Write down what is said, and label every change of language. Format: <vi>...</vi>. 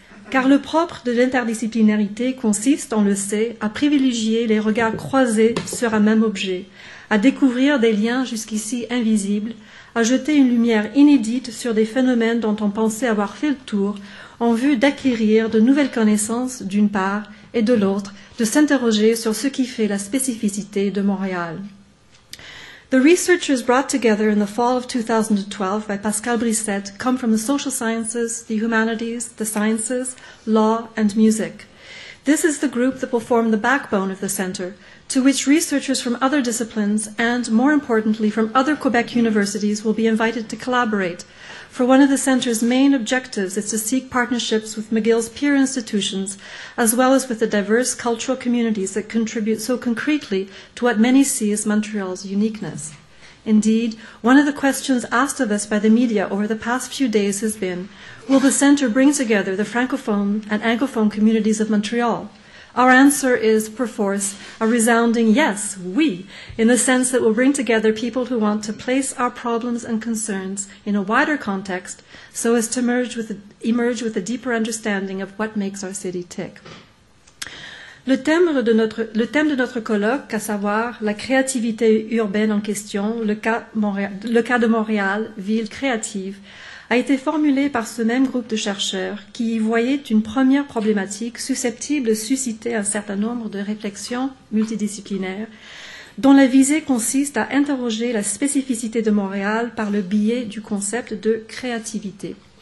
<fr>Car le propre de l'interdisciplinarité consiste, on le sait, à privilégier les regards croisés sur un même objet, à découvrir des liens jusqu'ici invisibles, à jeter une lumière inédite sur des phénomènes dont on pensait avoir fait le tour, en vue d'acquérir de nouvelles connaissances, d'une part, et de l'autre, de s'interroger sur ce qui fait la spécificité de Montréal.</fr> <en>The researchers brought together in the fall of 2012 by Pascal Brissette come from the social sciences, the humanities, the sciences, law, and music. This is the group that will form the backbone of the center, to which researchers from other disciplines and, more importantly, from other Quebec universities will be invited to collaborate. For one of the center's main objectives is to seek partnerships with McGill's peer institutions, as well as with the diverse cultural communities that contribute so concretely to what many see as Montreal's uniqueness. Indeed, one of the questions asked of us by the media over the past few days has been, will the center bring together the Francophone and Anglophone communities of Montreal? Our answer is, perforce, a resounding yes, oui, in the sense that we'll bring together people who want to place our problems and concerns in a wider context so as to emerge with a deeper understanding of what makes our city tick.</en> <fr>Le thème de notre colloque, à savoir la créativité urbaine en question, le cas de Montréal, ville créative, a été formulé par ce même groupe de chercheurs qui y voyait une première problématique susceptible de susciter un certain nombre de réflexions multidisciplinaires, dont la visée consiste à interroger la spécificité de Montréal par le biais du concept de créativité.</fr>